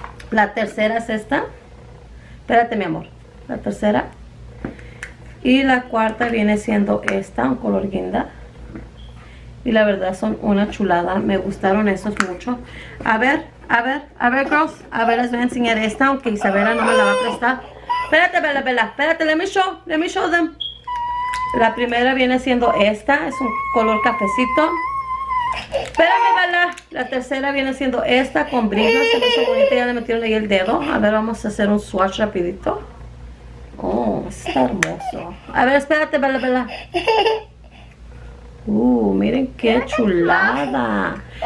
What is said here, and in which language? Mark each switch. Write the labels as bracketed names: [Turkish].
[Spanish] La tercera es esta. Espérate, mi amor. La tercera. Y la cuarta viene siendo esta, un color guinda. Y la verdad son una chulada. Me gustaron estos mucho. A ver, girls. A ver, les voy a enseñar esta, aunque Isabela no me la va a prestar. Espérate, Bella. [English] Espérate, let me show them. [Spanish] La primera viene siendo esta. Es un color cafecito. Espérame, Bella. La tercera viene siendo esta con brillo. Se me hizo bonita. Ya le metieron ahí el dedo. A ver, vamos a hacer un swatch rapidito. Oh, está hermoso. A ver, espérate, Bella. Miren qué chulada.